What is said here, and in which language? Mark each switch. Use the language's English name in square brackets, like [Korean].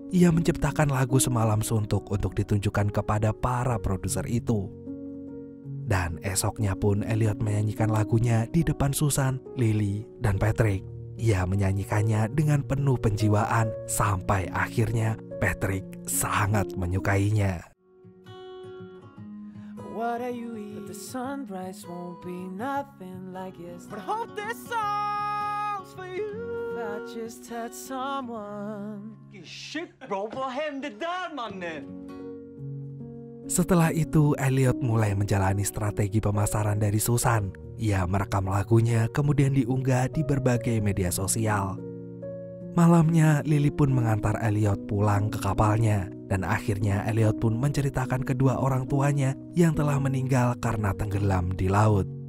[Indonesian] Ia menciptakan lagu Semalam Suntuk untuk ditunjukkan kepada para produser itu. Dan esoknya pun Elliot menyanyikan lagunya di depan Susan, Lily, dan Patrick. Ia menyanyikannya dengan penuh penjiwaan sampai akhirnya Patrick sangat menyukainya. [English] What are you eating? But the sunrise won't be nothing like yesterday. But hope this song's for you. If I just had someone. Shit, bro, what happened to that man then? [Indonesian] Setelah itu, Elliot mulai menjalani strategi pemasaran dari Susan. Ia merekam lagunya, kemudian diunggah di berbagai media sosial. Malamnya, Lily pun mengantar Elliot pulang ke kapalnya. Dan akhirnya Elliot pun menceritakan kedua orang tuanya yang telah meninggal karena tenggelam di laut.